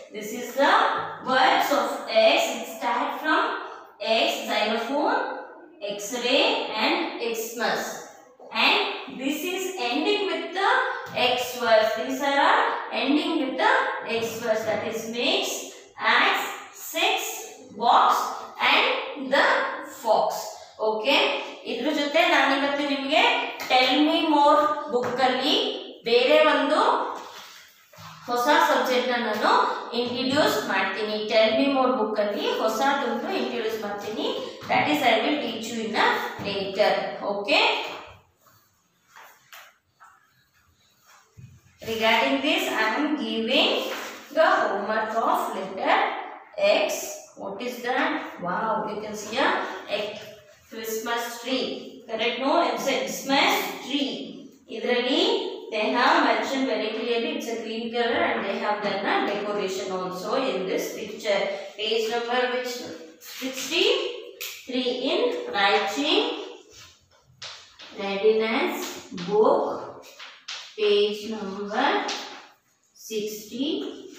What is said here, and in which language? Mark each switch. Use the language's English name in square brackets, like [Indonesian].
[English] This is the words of X. It starts from X, xylophone, X-ray, and Xmas. And this is ending with the X words. These are ending with the X words. That is mix, axe, six, box, and the fox. Okay. [Kannada] ಇದ್ರು ಜೊತೆ ನಾನು ಇವತ್ತು ನಿಮಗೆ tell me more book ಅಲ್ಲಿ ಬೇರೆ ಒಂದು ಹೊಸ ಸಬ್ಜೆಕ್ಟ್ನ ನಾನು ಇಂಟ್ರೊಡ್ಯೂಸ್ ಮಾಡ್ತೀನಿ. ಟೆಲ್ ಮೀ ಮೋರ್ ಬುಕ್ ಅಲ್ಲಿ ಹೊಸದೊಂದು ಇಂಟ್ರೊಡ್ಯೂಸ್ ಮಾಡ್ತೀನಿ. [English] That is I will teach you in a later. Okay, regarding this I am giving the homework of letter X. What is that? Wow, you can see a Christmas tree, correct? No, it's a Christmas tree. Idrali they have mentioned very clearly, it's a green color, and they have done a decoration also in this picture. Page number which 63 in writing readiness book, page number 63.